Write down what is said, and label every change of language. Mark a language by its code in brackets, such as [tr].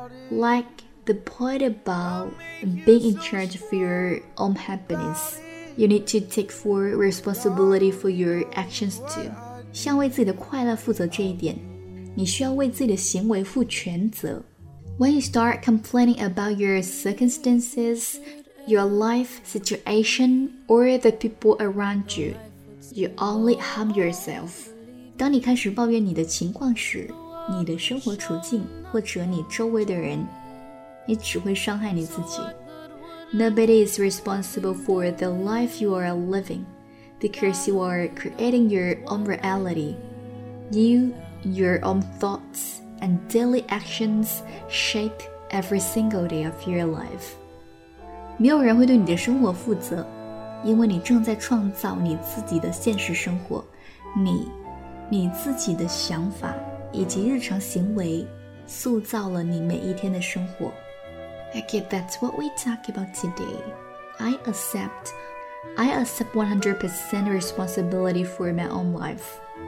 [en] LikeThe point about being in charge of your own happiness, you need to take full responsibility for your actions too. [zh] 像为自己的快乐负责这一点，你需要为自己的行为负全责。 [en] When you start complaining about your circumstances, your life situation, or the people around you, you only harm yourself. [zh] 当你开始抱怨你的情况时，你的生活处境，或者你周围的人，你只会伤害你自己。 [en] Nobody is responsible for the life you are living because you are creating your own reality. You, your own thoughts and daily actions shape every single day of your life. [zh] 没有人会对你的生活负责，因为你正在创造你自己的现实生活。你自己的想法以及日常行为塑造了你每一天的生活。 [en] Okay, that's what we talk about today. I accept 100% responsibility for my own life.